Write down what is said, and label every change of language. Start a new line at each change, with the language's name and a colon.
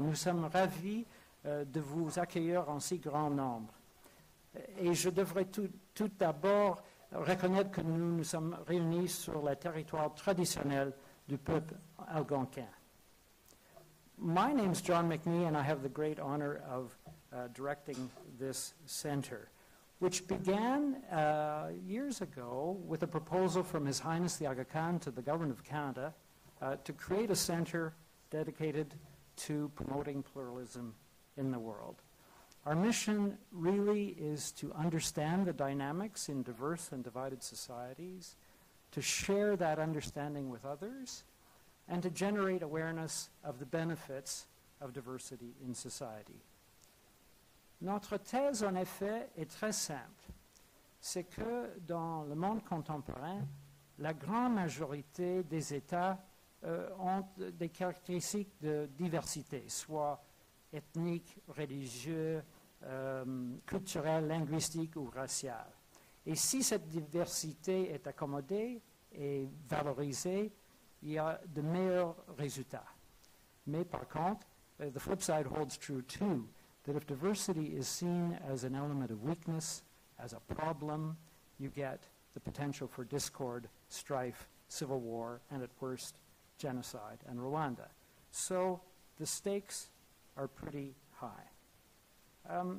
French: Nous sommes ravis de vous accueillir en si grand nombre. Et je devrais tout d'abord reconnaître que nous nous sommes réunis sur le territoire traditionnel du peuple algonquin.
English: My name is John McNee, and I have the great honor of directing this center, which began years ago with a proposal from His Highness the Aga Khan to the Government of Canada to create a center dedicated to promoting pluralism in the world. Our mission really is to understand the dynamics in diverse and divided societies, to share that understanding with others, and to generate awareness of the benefits of diversity in society.
French: Notre thèse, en effet, est très simple. C'est que dans le monde contemporain, la grande majorité des États ont des caractéristiques de diversité, soit ethnique, religieux, culturel, linguistique ou racial. Et si cette diversité est accommodée et valorisée, il y a de meilleurs résultats. Mais par contre,
English: the flip side holds true too, that if diversity is seen as an element of weakness, as a problem, you get the potential for discord, strife, civil war, and at worst, genocide and Rwanda. So the stakes are pretty high.